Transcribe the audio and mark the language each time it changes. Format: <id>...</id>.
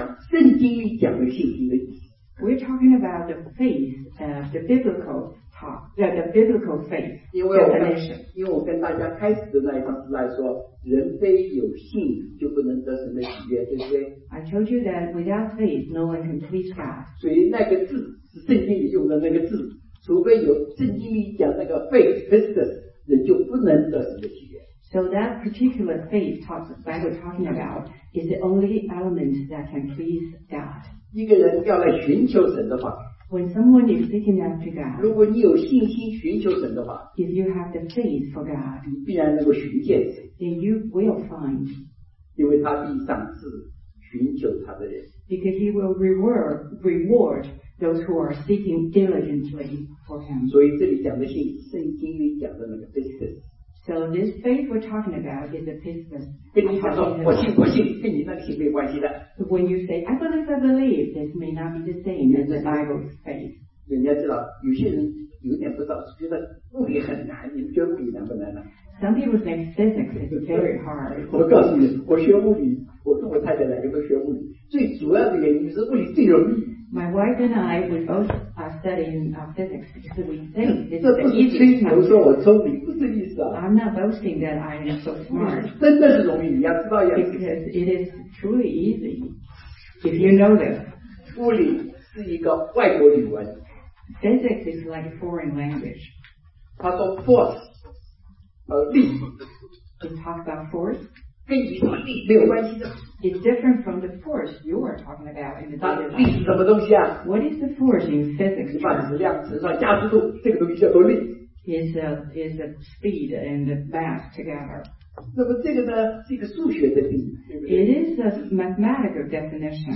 <zh>那么讲到三二九跟四十九两，这个蛮大的。信心的第一个条，第一个意义是我们要用这个信心讲圣经里讲的信心的意思。</zh> <en>We're talking about the faith, the biblical talk, the biblical faith definition.</en> <zh>因为我跟大家开始的那一章是来说。人非有信，就不能得神的喜悦，对不对？</zh> <en>I told you that without faith, no one can please God.</en> <zh>所以那个字是圣经里用的那个字，除非有圣经里讲那个</zh> <en>faith Christus，</en> <zh>人就不能得神的喜悦。</zh> <en>So that particular faith talks Bible talking about is the only element that can please God.</en> <zh>一个人要来寻求神的话。</zh> <en>When someone is seeking after God,</en> <zh>如果你有信心寻求神的话,</zh> <en>if you have the faith for God,</en> <zh>你必然能够寻见,</zh> <en>then you will find.</en> <zh>因为他必赏赐寻求他的人,</zh> <en>because he will reward those who are seeking diligently for him.</en> <zh>所以这里讲的信, 圣经里讲的那个 pistis.</zh> <en>So this faith we're talking about is a pistis.</en> <zh>跟你讲说，我信，跟你那个信没关系的。</zh> <en>When you say, I believe, this may not be the same as the Bible's faith.</en> <zh>人家知道，有些人有点不知道，觉得物理很难，你们觉得物理难不难呢？</zh> <en>Some people think physics is very hard.</en> <zh>我告诉你，我学物理，我跟我太太两个都学物理，最主要的原因是物理最容易。</zh> <en>My wife and I, we both are studying physics because we think this is the easiest.</en> <zh>这不是吹牛说我聪明，不是意思啊。</zh> <en>I'm not boasting that I am so smart.</en> <zh>真的是容易，你要知道一下。</zh> <en>Because it is truly easy if you know this.</en> <zh>物理是一个外国语文。</zh> <en>Physics is like a foreign language.</en> <zh>它说 force 和力。</zh> <en>We talk about force.</en> <zh>跟你说力没有关系的。</zh> <en>It's different from the force you are talking about in the physics. What is the force in physics?</en> <zh>把质量、质量加速度，这个东西叫做力。</zh> <en>Is the speed and the mass together.</en> <zh>那么这个呢，是一个数学的定义。</zh> <en>It is a mathematical definition.</en>